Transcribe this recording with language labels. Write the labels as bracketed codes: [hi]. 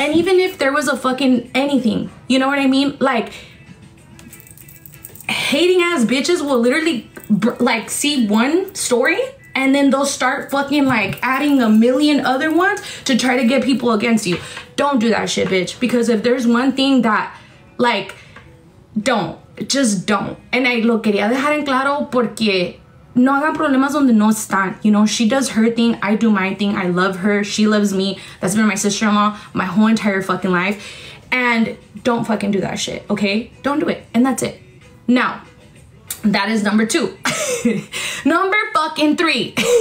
[en] And even if there was a fucking anything, you know what I mean, like, hating ass bitches will literally see one story, and then they'll start fucking like adding a million other ones to try to get people against you. Don't do that shit, bitch. Because if there's one thing that, like, don't. Just don't. And I [es] lo quería dejar en claro porque no hagan problemas donde no están. [en] You know, she does her thing. I do my thing. I love her. She loves me. That's been my sister-in-law my whole entire fucking life. And don't fucking do that shit, okay? Don't do it. And that's it. Now, that is number two. Number fucking three.